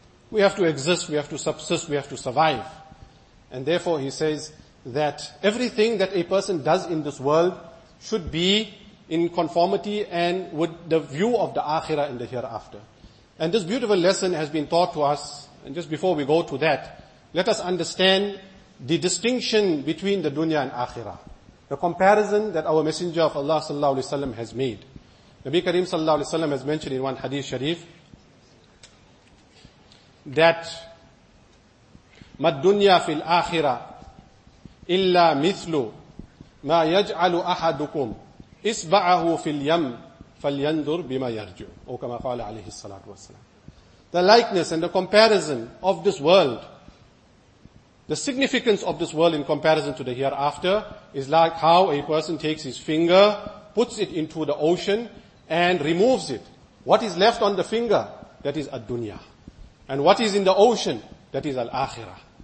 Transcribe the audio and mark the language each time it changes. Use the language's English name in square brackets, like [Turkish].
[English] We have to exist, we have to subsist, we have to survive. And therefore he says that everything that a person does in this world should be in conformity and with the view of the akhirah and the hereafter. And this beautiful lesson has been taught to us. And just before we go to that, let us understand the distinction between the dunya and akhirah. The comparison that our Messenger of Allah sallallahu alaihi wasallam has made. Nabi Kareem sallallahu alayhi wa sallam has mentioned in one hadith sharif that [Arabic] مَا الدُّنْيَا فِي الْآخِرَةِ إِلَّا مِثْلُ مَا يَجْعَلُ أَحَدُكُمْ إِسْبَعَهُ فِي الْيَمْ فَلْيَنْذُرْ بِمَا يَرْجُعُ أو كما قال عليه الصلاة والسلام. [English] The likeness and the comparison of this world, the significance of this world in comparison to the hereafter, is like how a person takes his finger, puts it into the ocean, and removes it. What is left on the finger? That is ad-dunya. And what is in the ocean? That is al-akhirah.